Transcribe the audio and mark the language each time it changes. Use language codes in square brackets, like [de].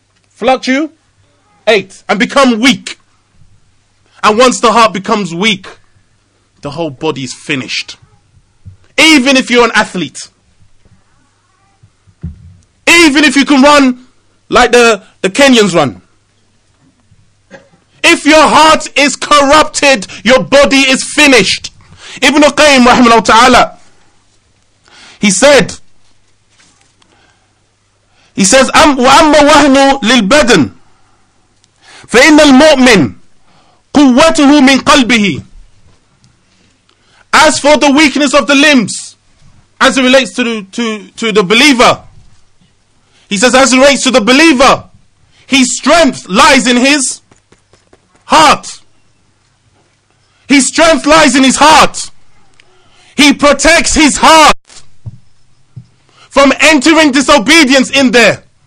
[en] Fluctuate and become weak. And once the heart becomes weak, the whole body is finished. Even if you're an athlete, even if you can run like the Kenyans run, if your heart is corrupted, your body is finished. Ibn Qayyim rahimahu ta'ala, He says, [ar] وَأَمَّا وَهْنُ لِلْبَدْنِ فَإِنَّ الْمُؤْمِنِ قُوَّتُهُ مِنْ قَلْبِهِ. [en] As for the weakness of the limbs, as it relates to the believer, he says, as it relates to the believer, his strength lies in his heart. His strength lies in his heart. He protects his heart from entering disobedience in there.